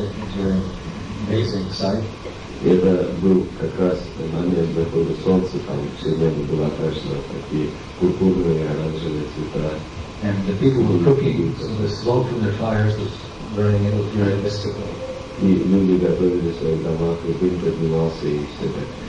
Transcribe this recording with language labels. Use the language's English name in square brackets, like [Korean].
[English] It was an amazing sight. [Russian] Это был как раз момент захода солнца, там все небо было окрашено такие пурпурные и оранжевые цвета. [English] And the people were cooking, so the smoke from their fires was burning. It was very mystical. [Russian] И люди готовили свои дома, и дым поднимался и все так.